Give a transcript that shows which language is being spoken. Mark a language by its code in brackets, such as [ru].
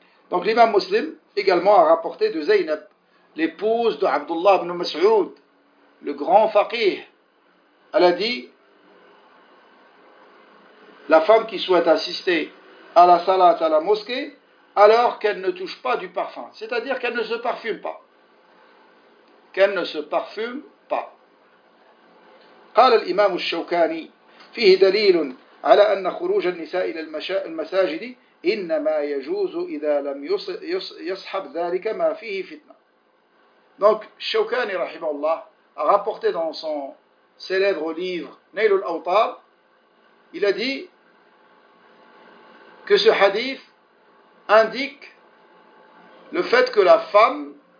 [fr] Donc l'imam Muslim également a rapporté de Zainab, l'épouse de Abdullah ibn Mas'ud, le grand faqih, elle a dit la femme qui souhaite assister à la salat, à la mosquée, alors qu'elle ne touche pas du parfum. C'est-à-dire qu'elle ne se parfume pas. Qu'elle ne se parfume pas. [ar] قال الإمام الشوكاني فيه دليل على أن خروج النساء إلى المساجد إنما يجوز إذا لم يصحب ذلك ما فيه فتنة. [fr] Donc, Shawkani, rahimahullah, a rapporté dans son célèbre livre Nail al-Awtar, il a dit que ce hadith indique le fait que la femme,